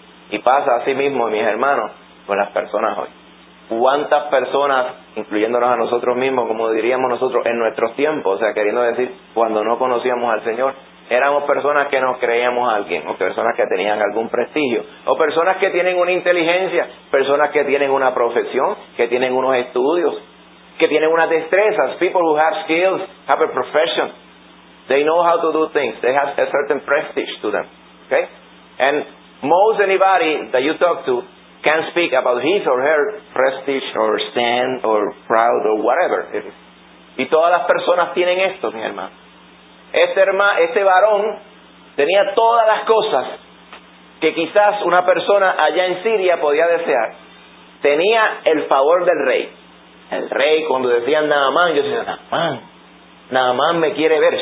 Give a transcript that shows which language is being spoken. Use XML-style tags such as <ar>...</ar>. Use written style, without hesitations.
<es>Y pasa así mismo, mis hermanos, con las personas hoy. ¿Cuántas personas, incluyéndonos a nosotros mismos, como diríamos nosotros, en nuestros tiempos, o sea, queriendo decir, cuando no conocíamos al Señor, éramos personas que nos creíamos a alguien, o personas que tenían algún prestigio, o personas que tienen una inteligencia, personas que tienen una profesión, que tienen unos estudios, que tienen unas destrezas?</es> <en>People who have skills, have a profession, they know how to do things, they have a certain prestige to them, okay? And most anybody that you talk to can speak about his or her prestige or stand or proud or whatever it is.</en> <es>Y todas las personas tienen esto, mi hermano. Este varón tenía todas las cosas que quizás una persona allá en Siria podía desear. Tenía el favor del rey. El rey, cuando decía Naamán, yo decía, Naamán, Naamán me quiere ver.</es>